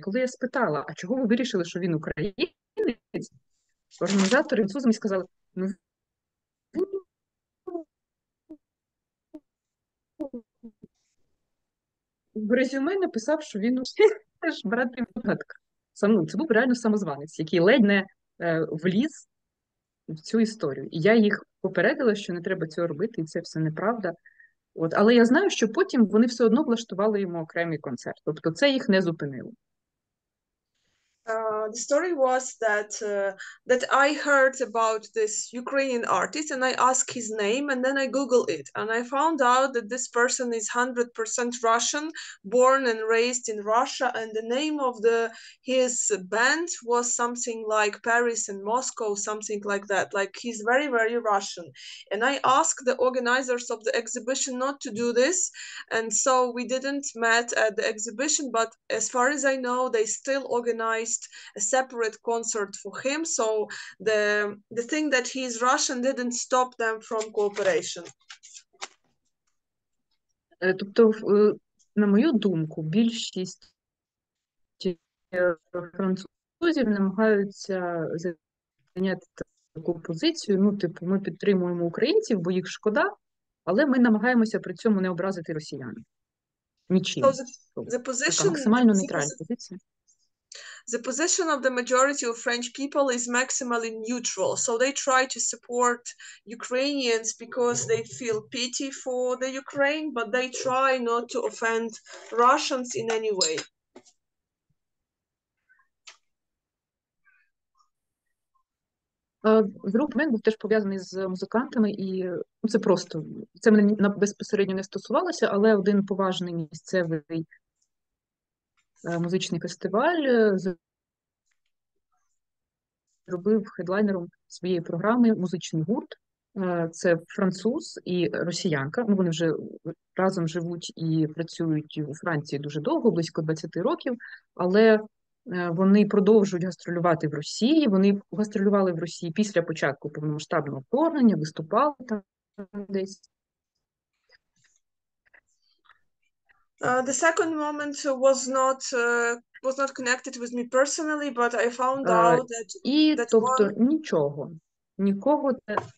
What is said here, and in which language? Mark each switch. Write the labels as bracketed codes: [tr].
[uk] Коли я спитала, а чого ви вирішили, що він українець, організатори французи мені сказали, ну, в резюме написав, що він ж брати податка. Це був реально самозванець, який ледь не вліз в цю історію. І я їх попередила, що не треба цього робити, і це все неправда. От, але я знаю, що потім вони все одно влаштували йому окремий концерт. Тобто це їх не зупинило. [en] The story was that that I heard about this Ukrainian artist and I asked his name and then I Googled it and I found out that this person is 100% Russian, born and raised in Russia, and the name of the his band was something like Paris and Moscow, something like that. Like, he's very, very Russian. And I asked the organizers of the exhibition not to do this, and so we didn't meet at the exhibition, but as far as I know, they still organized a separate concert for him, so the thing that he's Russian didn't stop them from cooperation. [uk] Тобто, на мою думку, більшість французів намагаються зайняти таку позицію, ну, типу, ми підтримуємо українців, бо їх шкода, але ми намагаємося при цьому не образити росіян. Нічим. [en] So the position, [uk] така максимально нейтральна позиція. [en] The position of the majority of French people is maximally neutral. So they try to support Ukrainians because they feel pity for the Ukraine, but they try not to offend Russians in any way. [uk] Групи мен був теж пов'язаний з музикантами, і це просто, це мене безпосередньо не стосувалося, але один поважний місцевий музичний фестиваль зробив хедлайнером своєї програми музичний гурт. Це француз і росіянка. Ну, вони вже разом живуть і працюють у Франції дуже довго, близько 20 років, але вони продовжують гастролювати в Росії. Вони гастролювали в Росії після початку повномасштабного вторгнення, виступали там десь. [en] The second moment was not connected with me personally, but I found out that [uk] і [en] that [uk] тобто [en] one... [uk] нічого. Нікого те.